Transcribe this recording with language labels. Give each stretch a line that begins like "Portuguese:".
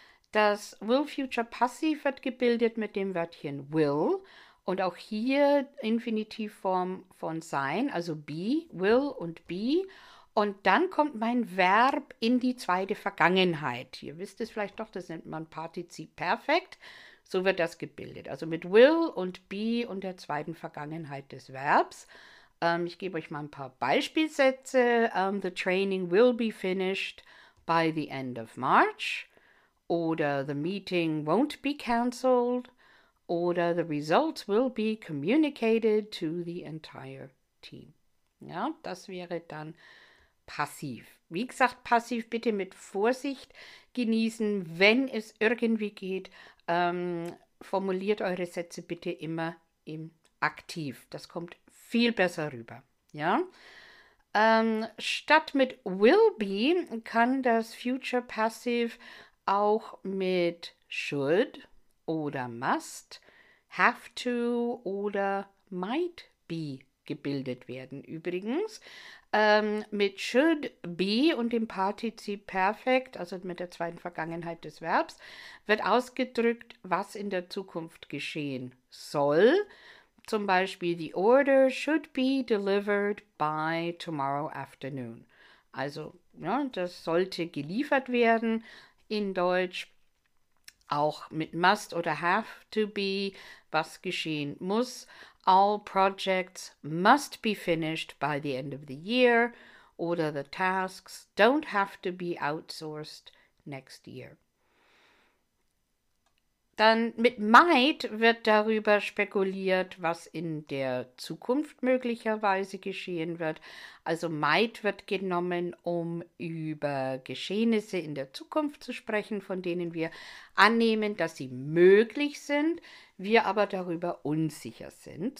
German: Das Will-Future-Passiv wird gebildet mit dem Wörtchen will und auch hier Infinitivform von sein, also be, will und be. Und dann kommt mein Verb in die zweite Vergangenheit. Ihr wisst es vielleicht doch, das nennt man Partizip Perfekt. So wird das gebildet. Also mit will und be und der zweiten Vergangenheit des Verbs. Ich gebe euch mal ein paar Beispielsätze.
English: The training will be finished by the end of March.
German: Oder
English: the meeting won't be cancelled. Oder the results will be communicated to the entire team.
German: Ja, das wäre dann passiv. Wie gesagt, passiv bitte mit Vorsicht genießen, wenn es irgendwie geht. Formuliert eure Sätze bitte immer im Aktiv. Das kommt viel besser rüber. Ja? Statt mit will be kann das Future Passive auch mit should oder must, have to oder might be gebildet werden. Übrigens, mit should be und dem Partizip Perfekt, also mit der zweiten Vergangenheit des Verbs, wird ausgedrückt, was in der Zukunft geschehen soll. Zum Beispiel,
English: the order should be delivered by tomorrow afternoon.
German: Also, ja, das sollte geliefert werden in Deutsch. Auch mit must oder have to be, was geschehen muss.
English: All projects must be finished by the end of the year
German: oder
English: the tasks don't have to be outsourced next year.
German: Dann mit might wird darüber spekuliert, was in der Zukunft möglicherweise geschehen wird. Also might wird genommen, um über Geschehnisse in der Zukunft zu sprechen, von denen wir annehmen, dass sie möglich sind, wir aber darüber unsicher sind.